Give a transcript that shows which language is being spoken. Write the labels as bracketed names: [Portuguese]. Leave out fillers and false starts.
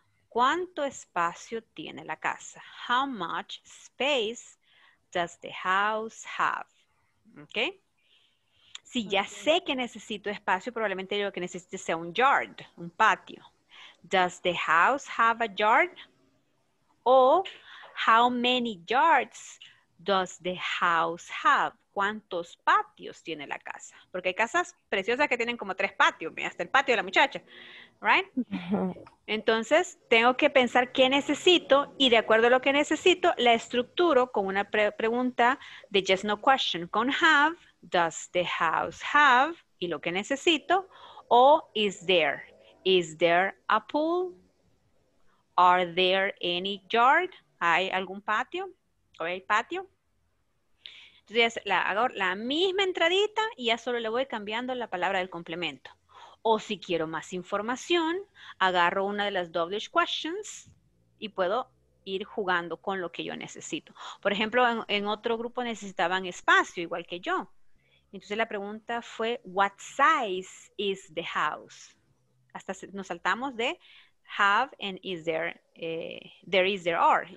[Spanish] ¿Cuánto espacio tiene la casa? [English] How much space does the house have? ¿Ok? [Spanish] Si ya sé que necesito espacio, probablemente lo que necesite sea un yard, un patio. [English] Does the house have a yard? O, how many yards does the house have? [Spanish] ¿Cuántos patios tiene la casa? Porque hay casas preciosas que tienen como tres patios, hasta el patio de la muchacha, right? Entonces, tengo que pensar qué necesito y de acuerdo a lo que necesito, la estructuro con una pregunta de yes, no question, con have, [English] does the house have, [Spanish] y lo que necesito, o [English] is there a pool, are there any yard, [Spanish] hay algún patio, o hay patio. Entonces, hago la misma entradita y ya solo le voy cambiando la palabra del complemento. O si quiero más información, agarro una de las WH questions y puedo ir jugando con lo que yo necesito. Por ejemplo, en otro grupo necesitaban espacio, igual que yo. Entonces la pregunta fue, [English] what size is the house? [Spanish] Hasta nos saltamos de have and is there, there is, there are.